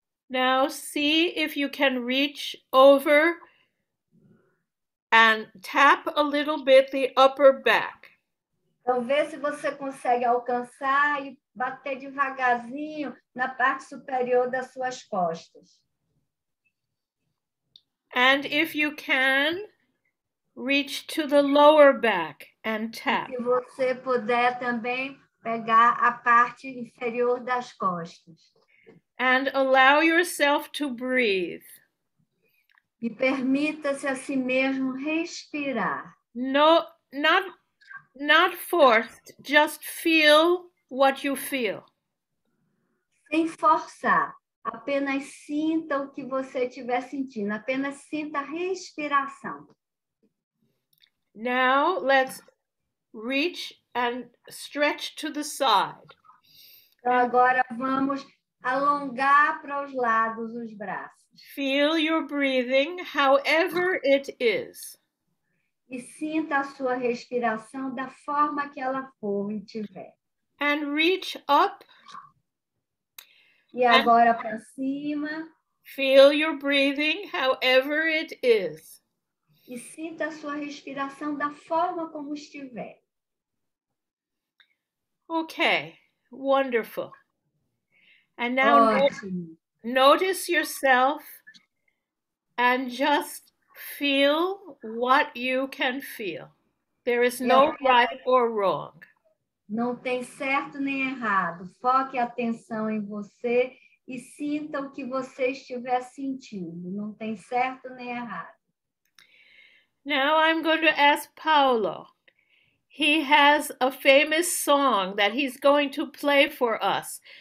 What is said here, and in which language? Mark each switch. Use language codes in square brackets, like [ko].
[en] Now see if you can reach over and tap a little bit the upper back. [pt] Então vê se você consegue alcançar e bater devagarzinho na parte superior das suas costas. [en] And if you can, reach to the lower back and tap. [pt] Se você puder também pegar a parte inferior das costas. [en] And allow yourself to breathe. [pt] E permita-se a si mesmo respirar. [en] No, not forced, just feel what you feel. [pt] Sem forçar, apenas sinta o que você estiver sentindo, apenas sinta a respiração. [en] Now let's reach and stretch to the side. [pt] Agora vamos alongar para os lados os braços. [en] Feel your breathing, however it is. [pt] E sinta a sua respiração da forma que ela for e tiver. [en] And reach up. [pt] E agora para cima. [en] Feel your breathing, however it is. [pt] E sinta a sua respiração da forma como estiver. [en] Okay, wonderful. And now notice yourself and just feel what you can feel. There is no right or wrong. [pt] Não tem certo nem errado. Foque a atenção em você e sinta o que você estiver sentindo. Não tem certo nem errado. [en] Now I'm going to ask Paulo. He has a famous song that he's going to play for us.